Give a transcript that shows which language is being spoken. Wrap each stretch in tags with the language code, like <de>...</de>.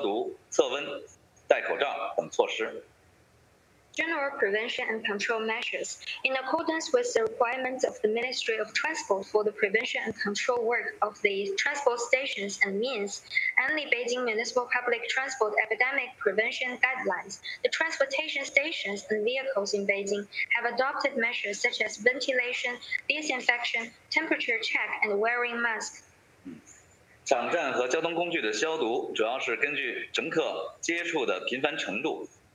<zh>普遍性的防护措施主要是按照国家交通运输部对于交通场站、交通工具的防控要求和北京市公共交通防疫指南的要求，在交通场站和工具均采取了通风、消毒、测温、戴口罩等措施。</zh> <en>General prevention and control measures. In accordance with the requirements of the Ministry of Transport for the prevention and control work of the transport stations and means, and the Beijing Municipal Public Transport Epidemic Prevention Guidelines, the transportation stations and vehicles in Beijing have adopted measures such as ventilation, disinfection, temperature check, and wearing masks.</en> <zh>场站和交通工具的消毒主要是根据乘客接触的频繁程度</zh>